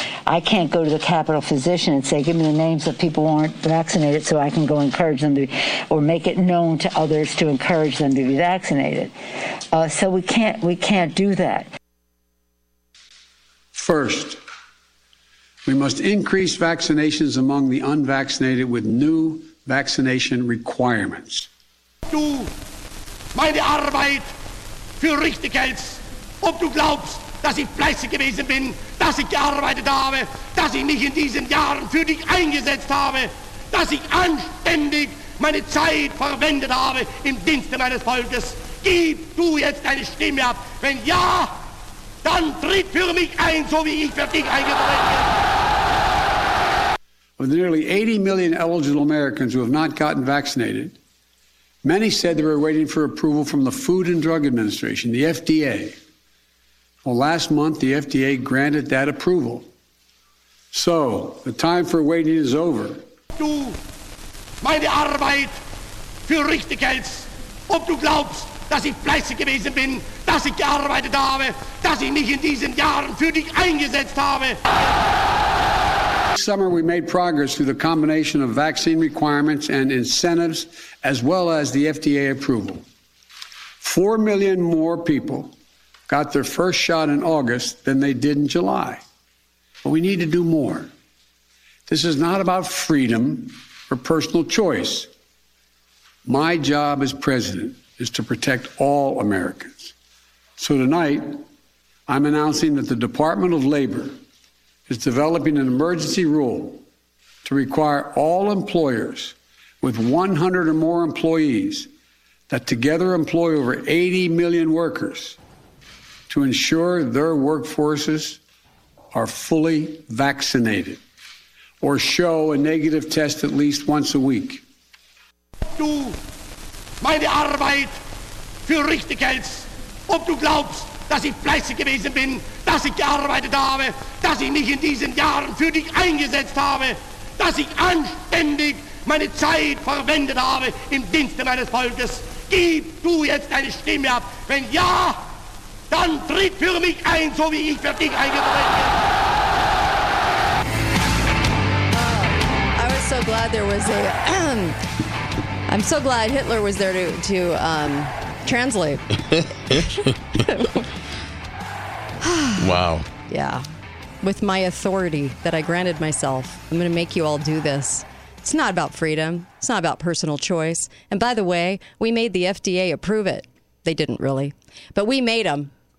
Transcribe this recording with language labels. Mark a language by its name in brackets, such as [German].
[English] I can't go to the Capitol physician and say, give me the names of people who aren't vaccinated so I can go encourage them to be, or make it known to others to encourage them to be vaccinated. So we can't do that. First, we must increase vaccinations among the unvaccinated with new vaccination requirements. [German] Du, meine Arbeit für richtig hältst, ob du glaubst, dass ich fleißig gewesen bin, dass ich gearbeitet habe, dass ich mich in diesen Jahren für dich eingesetzt habe, dass ich anständig meine Zeit verwendet habe im Dienste meines Volkes. Gib du jetzt deine Stimme ab. Wenn ja, dann tritt für mich ein, so wie ich für dich eingetreten bin. [English] With nearly 80 million eligible Americans who have not gotten vaccinated, many said they were waiting for approval from the Food and Drug Administration, the FDA. Well, last month, the FDA granted that approval. So, the time for waiting is over. [German] Du, meine Arbeit für richtig hältst, ob du glaubst, dass ich fleißig gewesen bin, dass ich gearbeitet habe, dass ich mich in diesen Jahren für dich eingesetzt habe. [English] This summer, we made progress through the combination of vaccine requirements and incentives, as well as the FDA approval. 4 million more people got their first shot in August than they did in July. But we need to do more. This is not about freedom or personal choice. My job as president is to protect all Americans. So tonight, I'm announcing that the Department of Labor is developing an emergency rule to require all employers with 100 or more employees that together employ over 80 million workers to ensure their workforces are fully vaccinated or show a negative test at least once a week. [German] Du, meine Arbeit für richtig hältst, ob du glaubst, dass ich fleißig gewesen bin, dass ich gearbeitet habe, dass ich mich in diesen Jahren für dich eingesetzt habe, dass ich anständig meine Zeit verwendet habe im Dienste meines Volkes. Gib du jetzt deine Stimme ab. Wenn ja, dann tritt für mich ein, so wie ich für dich eingetreten bin. [English] I was so glad there was a... I'm so glad Hitler was there to translate. Wow. Yeah. with my authority that I granted myself, I'm going to make you all do this. It's not about freedom. It's not about personal choice. And by the way, we made the FDA approve it. They didn't really. But we made them.